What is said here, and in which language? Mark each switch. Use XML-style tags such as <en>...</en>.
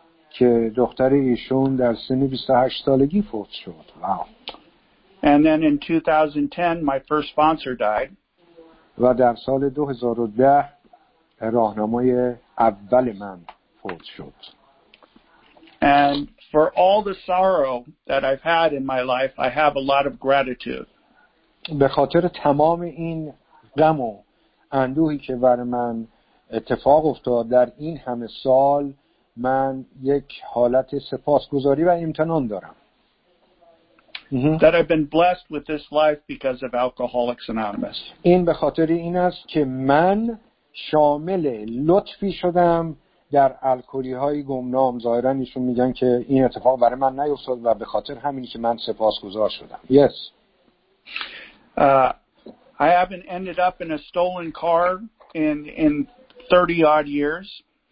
<fa>که دختر ایشون در سن 28 سالگی فوت شد. واو.</fa> <en>And then in 2010 my first sponsor died.</en> <fa>و در سال 2010 راهنمای اول من فوت شد.</fa> <en>And for all the sorrow that I've had in my life, I have a lot of gratitude.</en> <fa>به خاطر تمام این غم و اندوهی که بر من اتفاق افتاد در این همه سال، من یک حالت سپاسگزاری و امتنان دارم.</fa> <en>That I've been blessed with this life because of Alcoholics Anonymous.</en> <fa>این به خاطر این است که من شامل لطفی شدم در الکلی‌های گمنام. ظاهرا ایشون میگن که این اتفاق برای من نیفتاد و به خاطر همینی که من سپاسگزار شدم.</fa> <en>Yes. I haven't ended up in a stolen car in 30 odd years.</en>